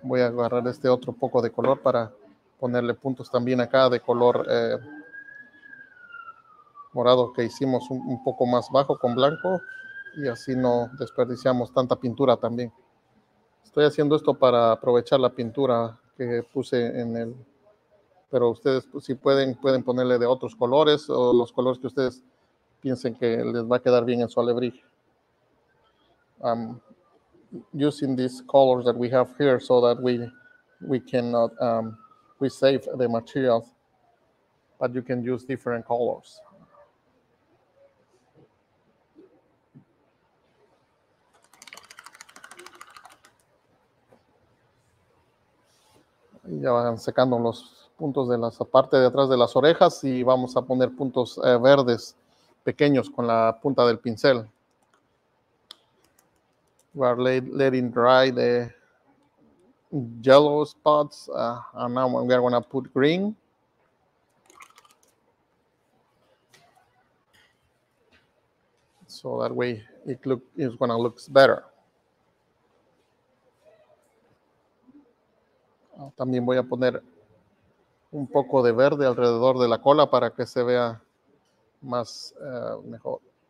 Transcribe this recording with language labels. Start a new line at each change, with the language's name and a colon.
Spanish: Voy a agarrar este otro poco de color para ponerle puntos también acá de color morado que hicimos un poco más bajo con blanco y así no desperdiciamos tanta pintura también. Estoy haciendo esto para aprovechar la pintura que puse en el, pero ustedes pues, si pueden, pueden ponerle de otros colores o los colores que ustedes piensen que les va a quedar bien en su alebrije.
English: Using these colors that we have here so that we cannot, we save the materials, but you can use different colors.
Spanish: Ya van secando los puntos de la parte de atrás de las orejas y vamos a poner puntos verdes pequeños con la punta del pincel.
English: We are letting dry the yellow spots, and now we are going to put green. So that way it look is going to look better.
Spanish: También voy a poner un poco de verde alrededor de la cola para que se vea más mejor.